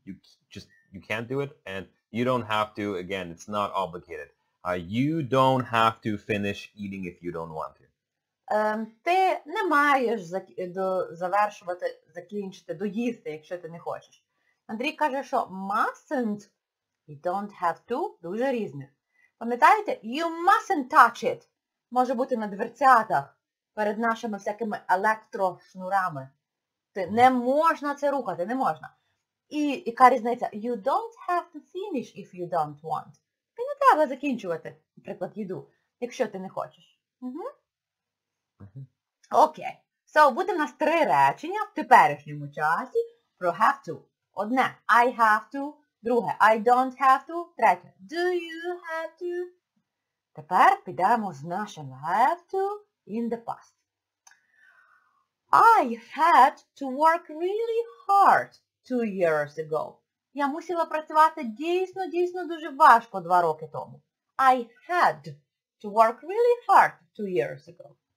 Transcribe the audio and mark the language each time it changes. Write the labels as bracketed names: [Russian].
[English] You can't do it, and you don't have to. Again, it's not obligated. You don't have to finish eating if you don't want to. [Ukrainian] Ти не маєш завершувати, закінчити, доїсти, якщо ти не хочеш. Андрій каже, що mustn't і don't have to дуже різні. Пам'ятаєте, [English] you mustn't touch it [Ukrainian] може бути на дверцятах перед нашими всякими електрошнурами. Ти не можна це рухати, не можна. І яка різниця? [English] You don't have to finish if you don't want. [Ukrainian] Ти не треба закінчувати, наприклад, їду, якщо ти не хочеш. Окей. [English] Okay. So, [Ukrainian] буде в нас 3 речення в теперішньому часі про have to. Одне, [English] I have to. [Ukrainian] Друге, [English] I don't have to. [Ukrainian] Третє, [English] do you have to? [Ukrainian] Тепер підемо з нашим have to [English] in the past. I had to work really hard 2 years ago. [Ukrainian] Я мусила працювати дійсно дуже важко 2 роки тому. [English] I had to work really hard 2 years ago.